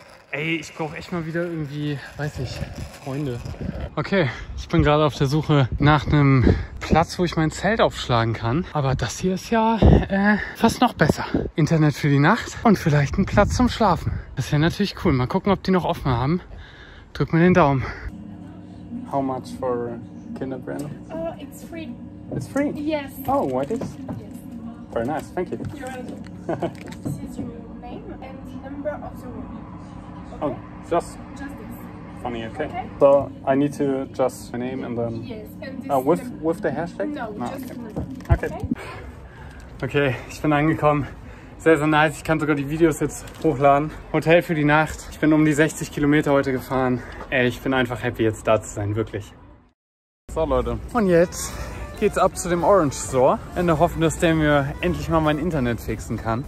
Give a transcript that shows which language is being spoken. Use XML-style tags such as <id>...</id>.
<de>Ey, ich brauche echt mal wieder irgendwie, weiß ich, Freunde. Okay, ich bin gerade auf der Suche nach einem Platz, wo ich mein Zelt aufschlagen kann. Aber das hier ist ja fast noch besser. Internet für die Nacht und vielleicht ein Platz zum Schlafen. Das wäre natürlich cool. Mal gucken, ob die noch offen haben. Drück mir den Daumen.</de> <en>How much for Kinderbrand? It's free. It's free? Yes. Oh, what is? Yes. Very nice, thank you. You're welcome. This is your name and the number of the room. Okay? Oh, just? Just this. Funny, okay. Okay. So I need to just my name and then... Yes. And with the hashtag? No, just okay. okay.</en> <de>Okay, ich bin angekommen. Sehr, sehr nice. Ich kann sogar die Videos jetzt hochladen. Hotel für die Nacht. Ich bin um die 60 Kilometer heute gefahren. Ey, ich bin einfach happy, jetzt da zu sein. Wirklich. So, Leute. Und jetzt geht's ab zu dem Orange Store. In der Hoffnung, dass der mir endlich mal mein Internet fixen kann.</de>